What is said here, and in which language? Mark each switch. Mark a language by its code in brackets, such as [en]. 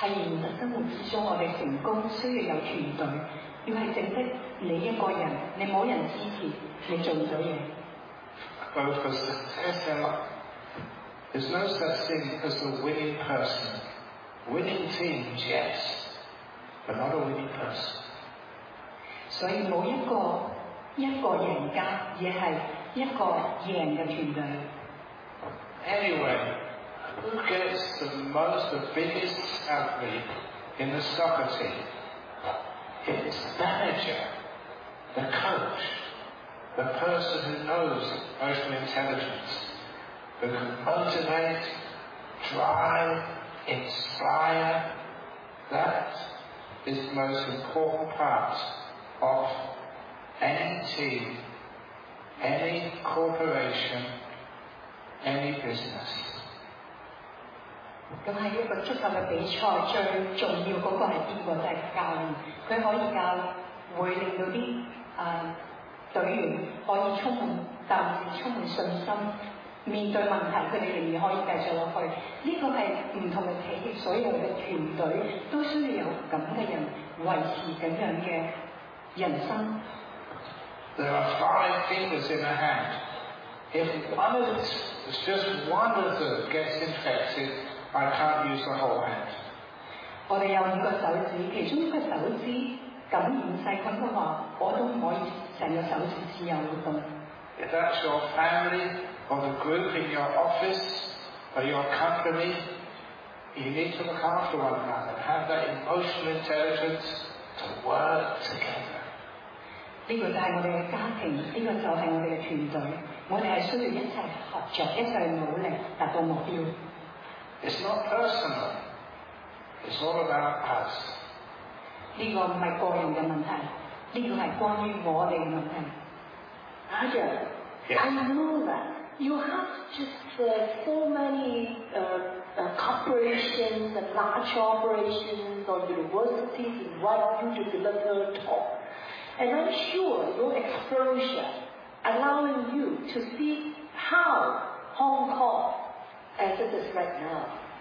[yue] 喺現實生活之中，我哋成功需要有團隊，要係淨得你一個人，你冇人支持，你做唔到嘢。 [en] Both for success and life. There's no such thing as the winning person. Winning teams, yes, but not a winning person. 所以冇一個一個贏家，而係一個贏嘅團隊。 Anyway, who gets the most, the biggest salary in the soccer team? It's the manager, the coach, the person who knows emotional intelligence, who can motivate, drive, inspire. That is the most important part of any team, any corporation. Any business. [yue] 咁喺一個足球嘅比賽，最重要嗰個係邊個？就係教練。佢可以教，會令到啲隊員可以充滿鬥志、充滿信心，面對問題佢哋仍然可以繼續落去。呢個係唔同嘅企業，所有嘅團隊都需要有咁嘅人維持咁樣嘅人生。 [en] There are five fingers in a hand. If one of us, it's just one of them gets infected, I can't use the whole hand. [yue] 我哋有五個手指，其中一個手指感染細菌嘅話，我都唔可以成個手指自由活動。 [en] If that's your family or the group in your office or your company, you need to look after one another, have that emotional intelligence to work together. [yue] 呢個就係我哋嘅家庭，呢個就係我哋嘅團隊。我哋係需要一齊合作，一齊努力達到目標。 [en] It's not personal. It's all about us. [yue] 呢個唔係個人嘅問題，呢個係關於我哋嘅問題。 [en] Yes. I know that you have just so many corporations and large operations or universities invite you to deliver talk. And I'm sure your exposure allowing you to see how Hong Kong as it is right now.